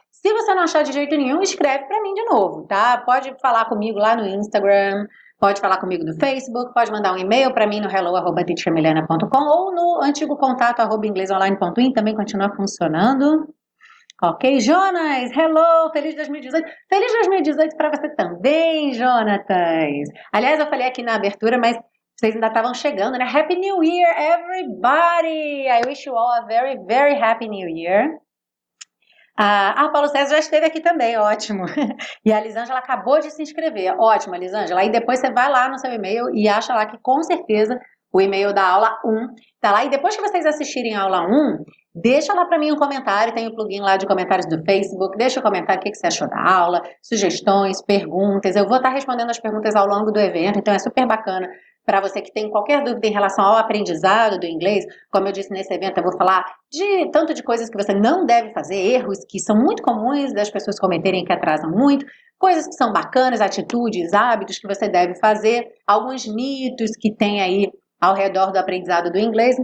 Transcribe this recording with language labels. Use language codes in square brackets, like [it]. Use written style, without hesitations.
[pt] Se você não achar de jeito nenhum, escreve para mim de novo, tá? Pode falar comigo lá no Instagram, pode falar comigo no Facebook, pode mandar um e-mail para mim no hello@teachermiliana.com ou no antigo contato @inglesonline.in, também continua funcionando. Ok, Jonas, [en] hello, [pt] feliz 2018. Feliz 2018 para você também, Jonatas. Aliás, eu falei aqui na abertura, mas vocês ainda estavam chegando, né? [en] Happy New Year, everybody! I wish you all a very, very happy New Year. [pt] Ah, Paulo César já esteve aqui também, ótimo. E a Lisângela acabou de se inscrever. Ótimo, Lisângela. E depois você vai lá no seu e-mail e acha lá que com certeza o e-mail da aula 1 tá lá. E depois que vocês assistirem a aula 1... deixa lá para mim um comentário, tem o plugin lá de comentários do Facebook, deixa um comentário o que você achou da aula, sugestões, perguntas, eu vou estar respondendo as perguntas ao longo do evento, então é super bacana para você que tem qualquer dúvida em relação ao aprendizado do inglês, como eu disse nesse evento, eu vou falar de tanto de coisas que você não deve fazer, erros que são muito comuns das pessoas cometerem que atrasam muito, coisas que são bacanas, atitudes, hábitos que você deve fazer, alguns mitos que tem aí ao redor do aprendizado do inglês.